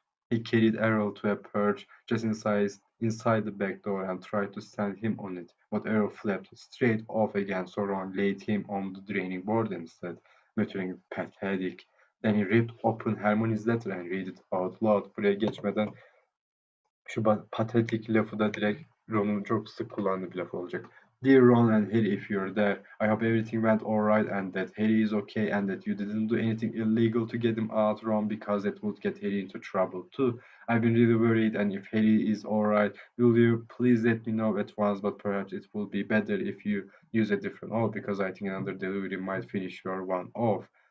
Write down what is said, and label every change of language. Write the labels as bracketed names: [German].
[English] He carried Errol to a perch just inside the back door and tried to stand him on it, but Errol flapped straight off again, so Ron laid him on the draining board instead, muttering pathetic. Then he ripped open Hermione's letter and read it out loud. [Turkish] Buraya geçmeden şu patetik lafı da direkt Ron'un çok sık kullandığı bir laf olacak. [English] "Dear Ron and Harry, if you're there, I hope everything went alright and that Harry is okay and that you didn't do anything illegal to get him out, Ron, because it would get Harry into trouble too. I've been really worried and if Harry is alright, will you please let me know at once, but perhaps it will be better if you use a different awl because I think another delivery might finish your one off.